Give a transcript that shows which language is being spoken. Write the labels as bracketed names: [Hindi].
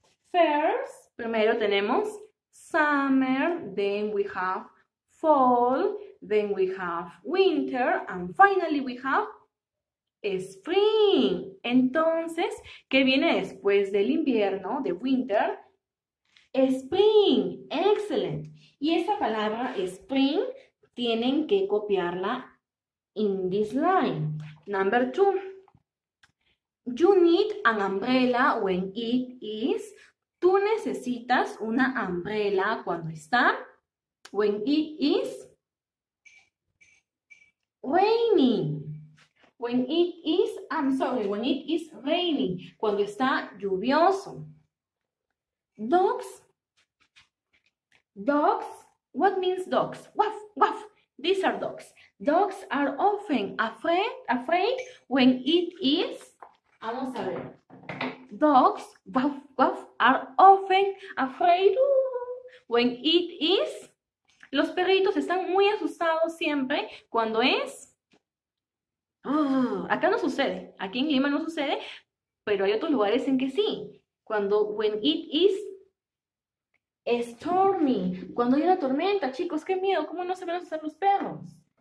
[English] First, [Spanish] primero tenemos [English] summer, then we have fall, then we have winter, and finally we have spring. [Spanish] Entonces, ¿qué viene después del invierno, de winter? [English] Spring, excellent. [Spanish] Y esa palabra spring tienen que copiarla [English] in this line. Number two. You need an umbrella when it is. [Spanish] Tú necesitas una umbrella cuando está. [English] When it is raining. When it is, I'm sorry, when it is raining. [Spanish] Cuando está lluvioso. [English] Dogs, what means dogs? Woof, woof, these are dogs. Dogs are often afraid when it is [Spanish] Vamos a ver. [English] Dogs, woof, woof, are often afraid when it is. [Spanish] Los perritos están muy asustados siempre cuando es. Oh, acá no sucede. Aquí en Lima no sucede, pero hay otros lugares en que sí. Cuando, [English] when it is stormy. [Spanish] Cuando hay una tormenta, chicos, qué miedo. ¿Cómo no se van a asustar los perros?